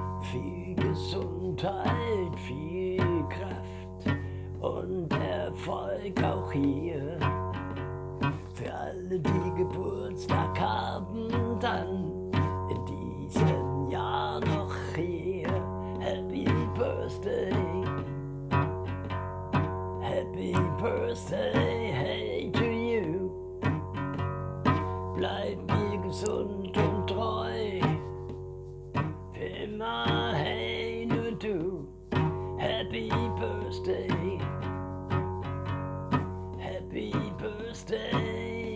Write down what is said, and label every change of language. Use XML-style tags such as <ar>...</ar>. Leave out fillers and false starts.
<de>Viel Gesundheit, viel Kraft und Erfolg auch hier. Für alle, die Geburtstag haben, dann in diesem Jahr noch hier.</de> <en>Happy Birthday, Happy Birthday, hey to you.</en> <de>Bleib mir gesund und treu, für immer, hey, nur du.</de> <en>Happy Birthday, Happy Birthday.</en>